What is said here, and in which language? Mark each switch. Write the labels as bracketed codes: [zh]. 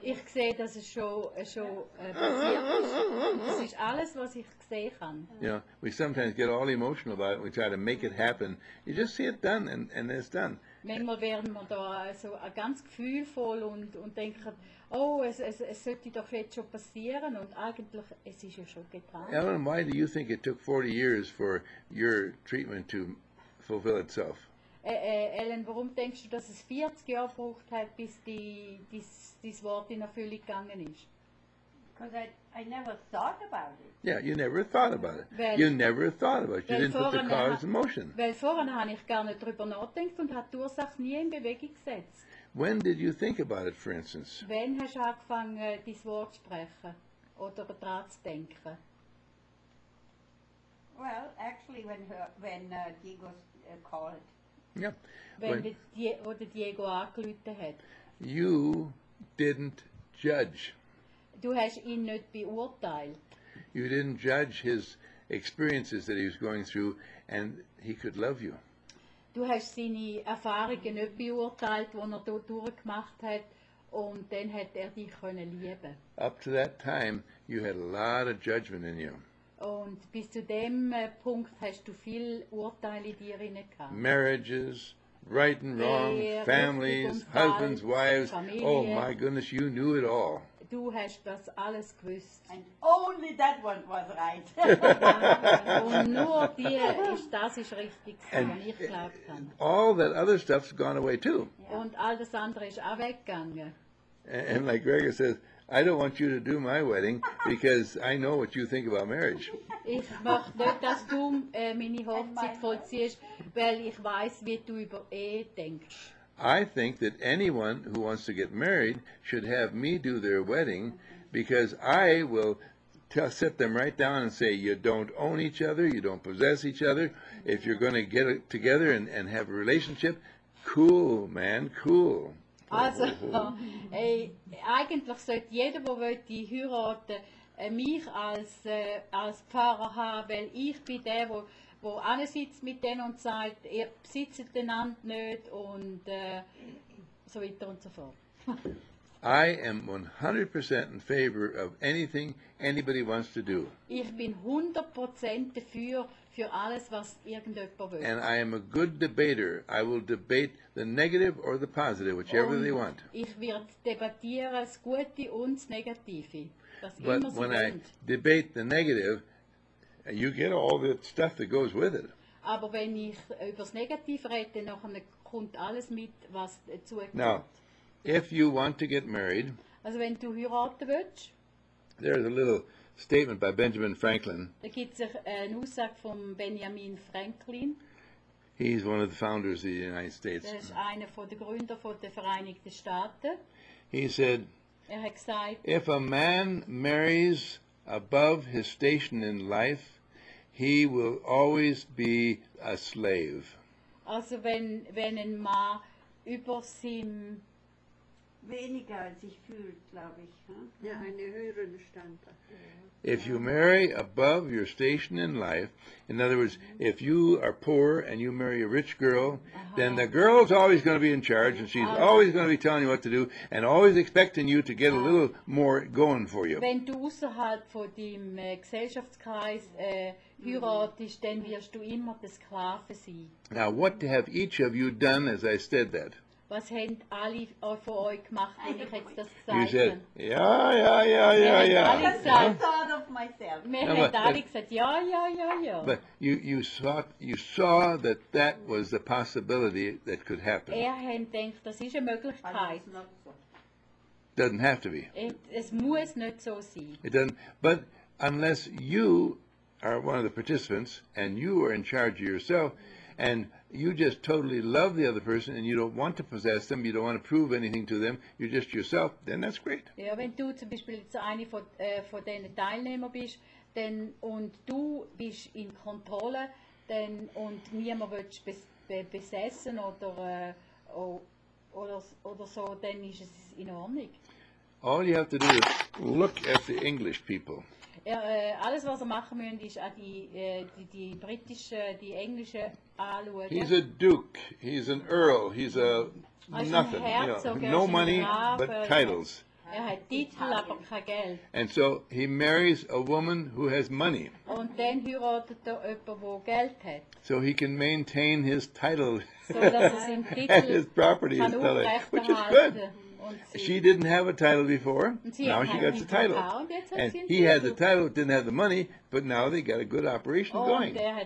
[de] Ich sehe, dass es schon passiert ist. Das ist alles, was ich sehen kann. [en] Yeah, we sometimes get all emotional about it. We try to make it happen. You just see it done, and it's done. [de] Manchmal werden wir da so ganz gefühlvoll und denken, oh, es sollte doch jetzt schon passieren, und eigentlich es ist ja schon getan. [en] Ellen, why do you think it took 40 years for your treatment to fulfill itself? [de] Ellen, warum denkst du, dass es 40 Jahre gebraucht hat, bis dein Wort in Erfüllung gegangen ist? [en] Because I never thought about it. Yeah, you never thought about it. You didn't put the cause in motion. [de] Weil vorher habe ich gar nicht drüber nachgedacht und habe die Ursache nie in Bewegung gesetzt. [en] When did you think about it, for instance? [de] Wann hast du angefangen, dein Wort zu sprechen oder daran zu denken? [en] Well, actually, when Diego called. Yeah. When [de] Diego angerufen hat. [en] You didn't judge. [de] Du hast ihn nicht beurteilt. [en] You didn't judge his experiences that he was going through, and he could love you. [de] Du hast seine Erfahrungen nicht beurteilt, die er dort durchgemacht hat, und dann hat er dich können lieben. [en] Up to that time, you had a lot of judgment in you. [de] Und bis zu dem Punkt hast du viele Urteile in dir inne gehabt. [en] Marriages, right and wrong, families, husbands, wives, oh my goodness, you knew it all. [de] Du hast das alles gewusst. [en] And only that one was right. [de] Und nur das ist richtig, was ich glaubt habe. [en] All that other stuff's gone away too. [de] Yeah. Und all das andere ist auch weggegangen. [en] And like Gregor says, I don't want you to do my wedding because I know what you think about marriage. [de] Ich möchte nicht, dass du meine Hochzeit vollziehst, weil ich weiß, wie du über Ehe denkst. [en] I think that anyone who wants to get married should have me do their wedding, because I will set them right down and say, you don't own each other, you don't possess each other. If you're going to get together and have a relationship, cool, man, cool. [de] Also, eigentlich sollte jeder, der will, die heiraten, mich als Pfarrer haben, weil ich bin der, wo alle sitzt mit denen und sagt, ihr besitzt einander nicht und so weiter und so fort. [en] I am 100% in favor of anything anybody wants to do. [de] Ich bin 100% dafür alles, was irgendjemand will. [en] And I am a good debater. I will debate the negative or the positive, whichever [de] und [en] they want. [de] Ich werde debattieren das Gute und das Negative. [en] But [de] immer so [en] when [de] sind. [en] I debate the negative, you get all the stuff that goes with it. [de] Aber wenn ich über das Negative rede, dann kommt alles mit, was dazugehört. [en] Now, if you want to get married, [de] also wenn du heiraten willst, [en] there's a little statement by Benjamin Franklin. [de] Da gibt es eine Aussage von Benjamin Franklin. [en] He's one of the founders of the United States. [de] Das ist einer von den Gründern von den Vereinigten Staaten. [en] He said, [de] er hat gesagt, [en] if a man marries above his station in life, he will always be a slave. [de] Also wenn ein Mann über sein weniger als sich fühlt, glaube ich, ja, eine höhere Stand. [en] If you marry above your station in life, in other words, if you are poor and you marry a rich girl, then the girl's always going to be in charge, and she's always going to be telling you what to do and always expecting you to get a little more going for you. [de] Wenn du außerhalb von dem Gesellschaftskreis heiratest, dann wirst du immer der Sklave sein. [en] Now, what have each of you done as I said that? [de] Was haben alle von euch gemacht, wenn ich jetzt das gesagt habe? [en] You said, ja. I thought of myself. [de] Wir haben alle gesagt, ja. [en] But you saw that was the possibility that could happen. [de] Er hat gedacht, das ist eine Möglichkeit. [en] Doesn't have to be. [de] Es muss nicht so sein. [en] It doesn't, but unless you are one of the participants and you are in charge of yourself, and you just totally love the other person and you don't want to possess them, you don't want to prove anything to them, you're just yourself, then that's great. [de] Ja, wenn du zum Beispiel so eine von denen Teilnehmer bist, denn und du bist in Kontrolle, denn und niemand will dich besessen oder so, dann ist es in Ordnung. [en] All you have to do is look at the English people. [de] Ja, alles was er machen müsst, ist an die britische, die englische anschauen. [en] He's a duke, he's an earl, he's a nothing. [de] Herzog, you [en] know, no money, but titles. [de] Er hat Titel, aber kein Geld. [en] And so he marries a woman who has money. [de] Und dann heiratet er jemanden, der Geld hat. [en] So he can maintain his title so, and his property is still there, which is good. She didn't have a title before, now she got the title. And he had the title, didn't have the money, but now they got a good operation going.